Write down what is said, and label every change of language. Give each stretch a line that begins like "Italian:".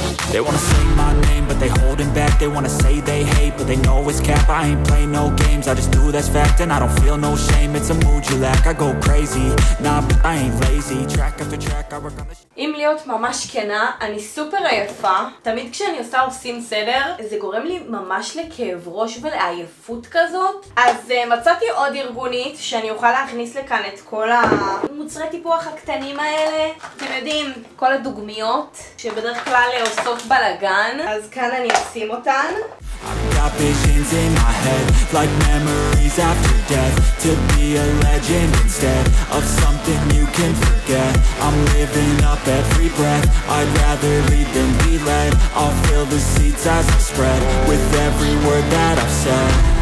English: They wanna say my name, but they holding back. They wanna say they hate, but they know it's cap. I ain't play no games, I just do that's fact. And I don't feel no shame, it's a mood you lack. I go crazy, nah, but I ain't lazy. Track after track, I work on the shit.
Hebrew: אם להיות ממש כנה, אני סופר עייפה. תמיד כשאני עושה עושים סדר, זה גורם לי ממש לכאב ראש ולעייפות כזאת. אז מצאתי עוד ארגונית שאני אוכל להכניס לכאן את כל המוצרי טיפוח הקטנים האלה. אתם יודעים, כל הדוגמיות שבדרך כלל עושות בלגן. אז כאן אני אשים אותן.
English: Visions in my head, like memories after death, to be a legend instead of something you can forget. I'm living up every breath, I'd rather lead than be led. I'll fill the seats as I spread with every word that I've said.